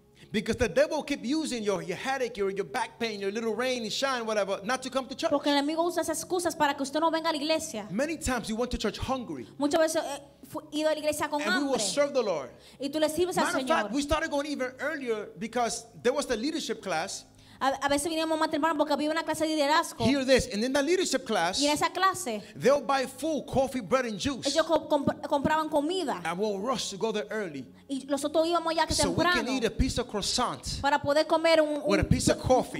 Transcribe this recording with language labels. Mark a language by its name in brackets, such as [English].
[English] Because the devil keep using your headache, your back pain, your little rain and shine, whatever, not to come to church. [Spanish] Porque el enemigo usa esas excusas para que usted no venga a la iglesia. [English] Many times you went to church hungry. [Spanish] Muchas veces ido a la iglesia con hambre. [English] And we will serve the Lord. [Spanish] Y tú le sirves al Señor. [English] We started going even earlier because there was the leadership class. [Spanish] A veces veníamos más temprano porque había una clase de liderazgo. [English] Hear this, and in the leadership class, [Spanish] y en esa clase, [English] they'll buy food, coffee, bread, and juice. [Spanish] Ellos compraban comida. [English] And we'll rush to go there early. [Spanish] Y nosotros íbamos ya que [English] so [Spanish] temprano. [English] So we can eat a piece of croissant. [Spanish] Para poder comer [English] un a piece of coffee.